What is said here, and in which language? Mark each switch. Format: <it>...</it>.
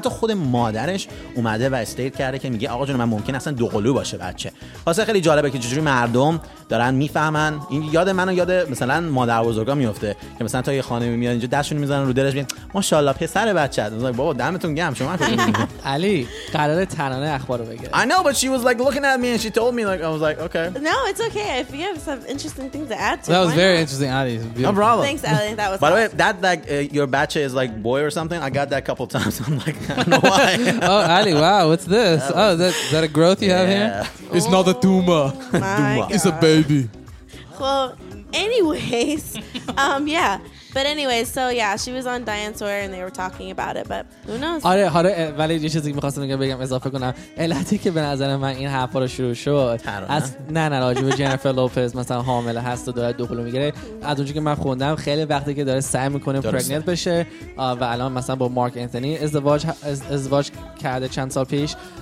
<fa>حتی خود مادرش اومده و استیت کرده که میگه آقا جون من ممکن اصلا دوقلو باشه بچه. واسه خیلی جالبه که چجوری مردم دارن میفهمن. این یاد منو یاد مثلا مادر بزرگا میفته که مثلا تا یه خانمی میاد اینجا دستشون میزنن رو دلش، میگن ماشاءالله پسر بچه‌ت. بابا دمتون گرم شما. علی قراره ترانه اخبارو بگه.</fa> <en>I know, but she was like looking at me and she told me, like, I was like, okay. No, it's okay. If you have some interesting things to add to. That was very interesting, Ali. No problem. Thanks, Ali. That was By the way, that like your bacha is like boy or something. I got that a couple times. I'm like, I don't know why. Oh, Ali, wow. What's this? Oh, is that a growth you have here? It's not a tumor. It's a baby. Well, anyways, yeah. But anyways, so yeah, she was on Diane Sawyer and they were talking about it, but who knows?</en> <fa>آره، حالا ولی یه چیزی می‌خواستم بگم اضافه کنم. علتی که به نظر من این حرفا رو شروع شد از نه راجب جنیفر لوپز مثلا حامل هست و داره دخول میگیره، از اونجایی که من خوندم خیلی وقتی که داره سعی میکنه پرگننت بشه و الان مثلا با مارک انتونی ازدواج کرده چند سال پیش.</fa>